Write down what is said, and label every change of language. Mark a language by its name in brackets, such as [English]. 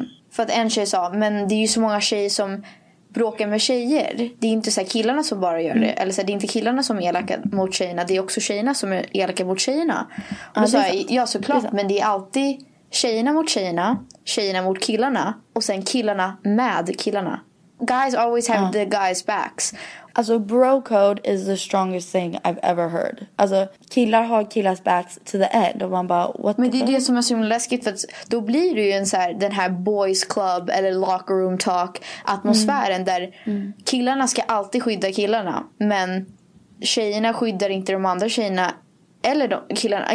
[Swedish] För att en tjej sa, men det är ju så många tjejer som bråkar med tjejer. Det är inte så här killarna som bara gör det. Eller så här, det är inte killarna som är elaka mot tjejerna. Det är också tjejerna som är elaka mot tjejerna. Och ja, så här, ja, såklart. Det men det är alltid tjejerna mot tjejerna. Tjejerna mot killarna. Och sen killarna med killarna. [English] Guys always have the guys backs. Alltså bro code is the strongest thing I've ever heard. [Swedish] Alltså killar har killars backs [English] to the end. [Swedish] Och man bara, what men [English] the fuck? [Swedish] Men det är det som är så himla läskigt. För då blir det ju en så här, den här boys club eller locker room talk atmosfären. Där killarna ska alltid skydda killarna. Men tjejerna skyddar inte de andra tjejerna. Eller de killarna.